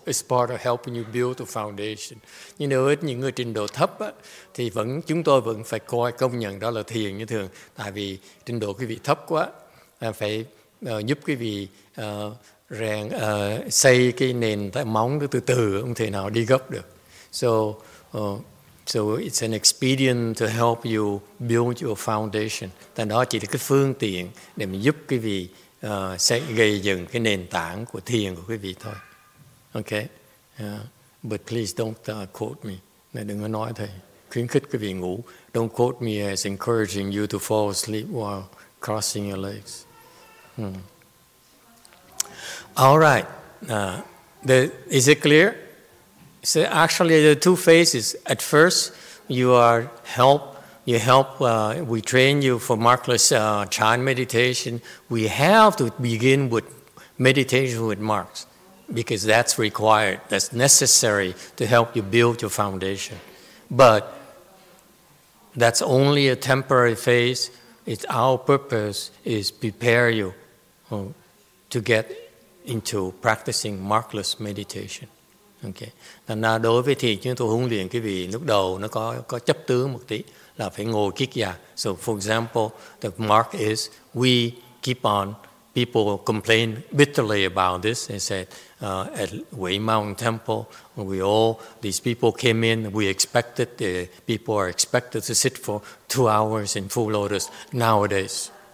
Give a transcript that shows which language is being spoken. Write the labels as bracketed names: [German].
[English] It's part of helping you build the foundation. [Vietnamese] Nhưng đối với những người trình độ thấp á, thì vẫn chúng tôi vẫn phải coi công nhận đó là thiền như thường. Tại vì trình độ quý vị thấp quá, phải giúp quý vị rèn xây cái nền tại móng từ từ, không thể nào đi gấp được. [English] So it's an expedient to help you build your foundation. [Vietnamese] Tại đó chỉ là cái phương tiện để mình giúp quý vị sẽ gây dựng cái nền tảng của thiền của quý vị thôi. [English] Okay? But please don't quote me. [Vietnamese] Này, đừng có nói thầy. Khuyến khích quý vị ngủ. [English] Don't quote me as encouraging you to fall asleep while crossing your legs. All right. Is it clear? So actually, there are two phases. At first, we train you for markless chan meditation. We have to begin with meditation with marks because that's required, that's necessary to help you build your foundation. But that's only a temporary phase. It's our purpose is prepare you to get into practicing markless meditation. Okay. [Vietnamese] Thành ra đối với thiền chúng tôi huấn luyện quý vị lúc đầu nó có chấp tướng một tí là phải ngồi kiết già. [English] So for example, the mark is we keep on, people complain bitterly about this. They said at Wei Mountain Temple, these people came in, we expected, people are expected to sit for 2 hours in full lotus nowadays.